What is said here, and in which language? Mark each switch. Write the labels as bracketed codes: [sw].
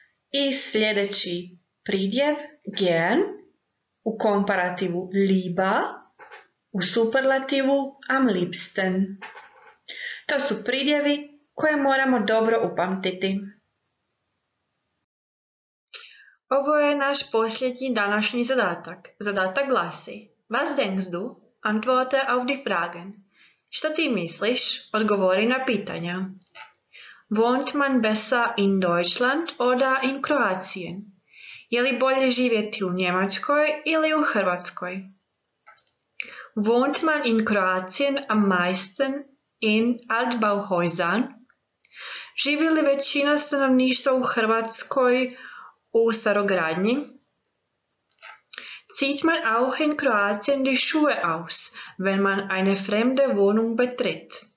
[hr] I sljedeći pridjev gern, u komparativu lieber, u superlativu am liebsten. To su pridjevi koje moramo dobro upamtiti. Ovo je naš posljednji današnji zadatak. Zadatak glasi: [de] Was denkst du? Antworte auf die Fragen. [hr] Što ti misliš? Odgovori na pitanja. [de] Wohnt man besser in Deutschland oder in Kroatien? [hr] Je li bolje živjeti u Njemačkoj ili u Hrvatskoj? [de] Wohnt man in Kroatien am meisten in Altbauhäusern? [hr] Živi li većina stanovništva u Hrvatskoj u starogradnji? [de] Zieht man auch in Kroatien die Schuhe aus, wenn man eine fremde Wohnung betritt?